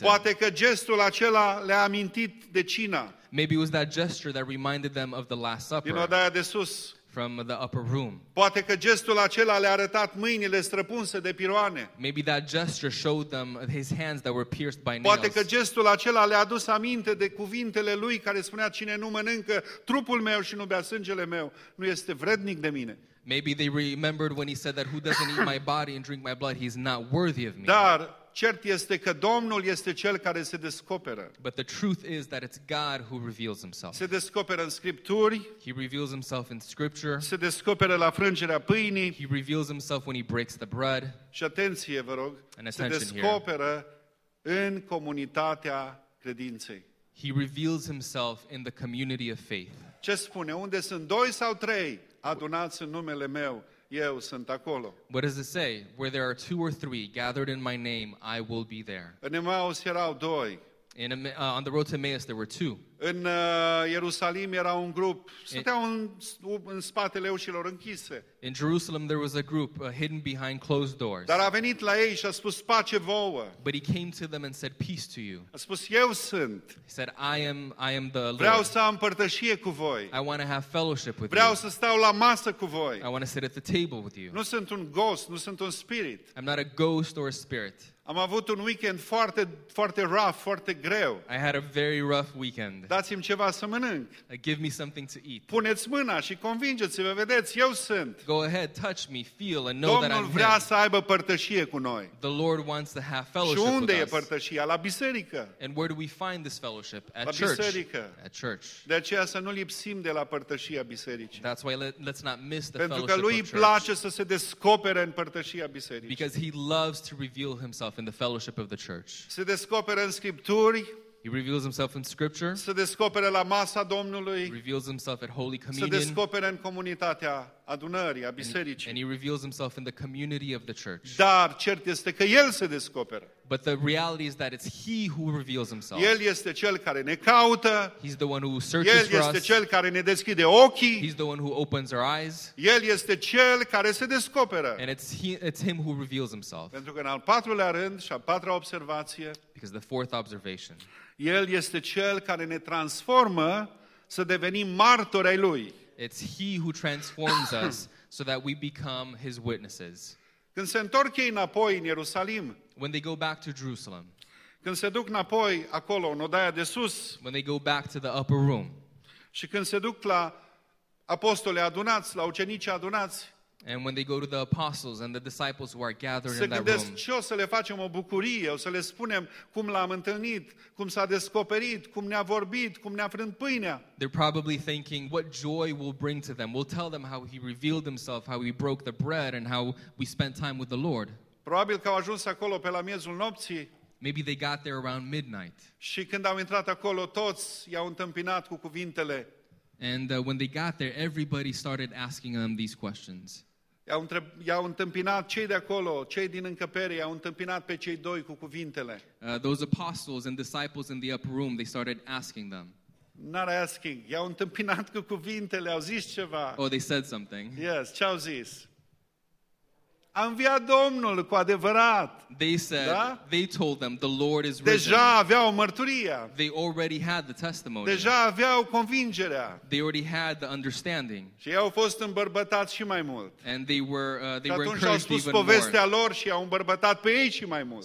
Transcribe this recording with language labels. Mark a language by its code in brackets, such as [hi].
[ro] Poate că gestul acela le-a amintit de cina. [en] Maybe it was that gesture that reminded them of the Last Supper. [ro] Din odaia de sus. [en] From the upper room. [ro] Poate că gestul acela le-a arătat mâinile străpunse de piroane. [en] Maybe that gesture showed them his hands that were pierced by nails. [ro] Poate că gestul acela le-a adus aminte de cuvintele lui care spunea cine nu mănâncă trupul meu și nu bea sângele meu nu este vrednic de mine. [en] Maybe they remembered when he said that who doesn't eat my body and drink my blood, he's not worthy of me. [ro] Dar cert este că Domnul este cel care se descoperă. [en] But the truth is that it's God who reveals himself. [ro] Se descoperă în scripturi. [en] He reveals himself in scripture. [ro] Se descoperă la frângerea pâinii. [en] He reveals himself when he breaks the bread. [ro] Și atenție, vă rog. [en] And attention [ro] se descoperă [en] here. [ro] În comunitatea credinței. [en] He reveals himself in the community of faith. [ro] Ce spune? Unde sunt doi sau trei adunați în numele meu? Eu sunt acolo. [en] What does it say? Where there are two or three gathered in my name, I will be there. [ro] În Emaus erau doi. [en] On the road to Emaus, there were two. [ro] În Ierusalim era un grup. Stăteau în spatele ușilor închise. [en] In Jerusalem, there was a group hidden behind closed doors. [ro] Dar a venit la ei și a spus, pace vouă. [en] But he came to them and said, peace to you. [ro] A spus, eu sunt. [en] He said, I am the Lord. [ro] Vreau să am părtășie cu voi. [en] I want to have fellowship with [ro] Vreau [en] you. [ro] Vreau să stau la masă cu voi. [en] I want to sit at the table with you. [ro] Nu sunt un ghost, nu sunt un spirit. [en] I'm not a ghost or a spirit. [ro] Am avut un weekend foarte, foarte rough, foarte greu. [en] I had a very rough weekend. [ro] Dați-mi ceva să mănânc. [en] Give me something to eat. [ro] Puneți mâna și convingeți-vă, vedeți, eu sunt. [en] Go ahead, touch me, feel and know [ro] Domnul [en] that I'm [ro] Domnul vrea să aibă părtășie cu noi. [en] The Lord wants to have fellowship with us. [ro] Și unde e părtășia? La biserică. [en] And where do we find this fellowship? At [ro] la [en] church. [ro] Biserică. [en] At church. [ro] De aceea să nu lipsim de la părtășia bisericii. [en] That's why let's not miss the [ro] Pentru [en] fellowship. [ro] Pentru că lui place să se descopere în părtășia bisericii. [en] Because he loves to reveal himself in the fellowship of the church. [ro] Se descoperă în scripturi. [en] He reveals himself in scripture. [ro] Se descoperă la masa Domnului. [en] He reveals himself at Holy Communion. [ro] Se descoperă în comunitatea adunării, a bisericii. [en] And he reveals himself in the community of the church. [ro] Dar cert este că el se descoperă. [en] But the reality is that it's he who reveals himself. [ro] El este cel care ne caută. [en] He's the one who searches [ro] El este [en] for us. [ro] Cel care ne deschide ochii. [en] He's the one who opens our eyes. [ro] El este cel care se descoperă. [en] And it's him who reveals himself. [ro] Pentru că în al patrulea rând și a patra observație. [en] Because the fourth observation. [ro] El este cel care ne transformă să devenim martori ai lui. [en] It's he who transforms us so that we become his witnesses. [ro] Când se întorc ei înapoi în Ierusalim, [en] when they go back to Jerusalem, [ro] când se duc înapoi acolo în odaia de sus, [en] when they go back to the upper room, [ro] și când se duc la apostoli adunați, la ucenici adunați, [en] and when they go to the apostles and the disciples who are gathered in that room. [ro] Ce o să le facem o bucurie, o să le spunem cum l-am întâlnit, cum s-a descoperit, cum ne-a vorbit, cum ne-a frânt pâinea. [en] They're probably thinking what joy we'll bring to them. We'll tell them how he revealed himself, how he broke the bread and how we spent time with the Lord. [ro] Probabil că au ajuns acolo pe la miezul nopții. [en] Maybe they got there around midnight. [ro] Și când au intrat acolo toți i-au întâmpinat cu cuvintele. [en] And when they got there everybody started asking them these questions. [ro] I-au întâmpinat cei de acolo, cei din încăpere, i-au întâmpinat pe cei doi cu cuvintele. [en] Those apostles and disciples in the upper room, they started asking them. Not asking, [ro] i-au întâmpinat cu cuvintele, au zis ceva. [en] Oh, they said something. [ro] Yes, ce au zis? A înviat Domnul cu adevărat. [en] They said, [ro] da? [en] They told them, the Lord is risen. [ro] Deja aveau mărturia. [en] They already had the testimony. [ro] Deja aveau convingerea. [en] They already had the understanding. [ro] Și au fost îmbărbătați și mai mult. [en] And they were [ro] atunci [en] encouraged [ro] au spus [en] even [ro] povestea [en] more. [ro] Lor și au îmbărbătat pe ei și mai mult.